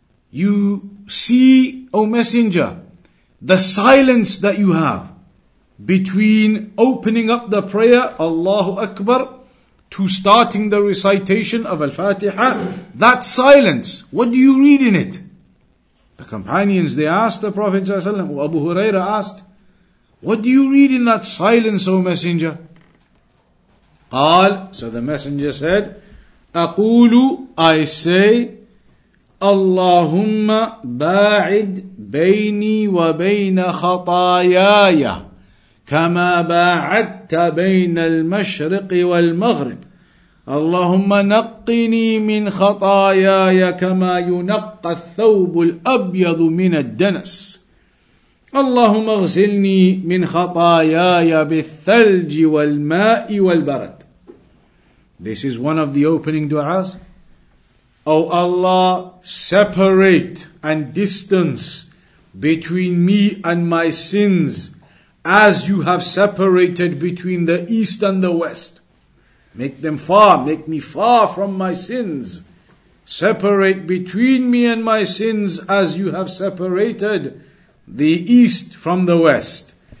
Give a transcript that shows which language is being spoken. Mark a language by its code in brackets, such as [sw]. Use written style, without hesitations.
[en] You see, O Messenger, the silence that you have between opening up the prayer, Allahu Akbar, to starting the recitation of Al-Fatiha, that silence, what do you read in it? The companions, they asked the Prophet ﷺ, Abu Hurairah asked, what do you read in that silence, O Messenger? [ar] قال, [en] so the Messenger said, [ar] أقول, [en] I say, [ar] اللهم باعد بيني وبين خطاياي كما باعدت بين المشرق والمغرب. اللهم نقني من خطاياي كما ينقى الثوب الأبيض من الدنس. اللهم اغسلني من خطاياي بالثلج والماء والبرد. [en] This is one of the opening du'as. O Allah, separate and distance between me and my sins as you have separated between the east and the west. Make them far, make me far from my sins. Separate between me and my sins as you have separated the east from the west.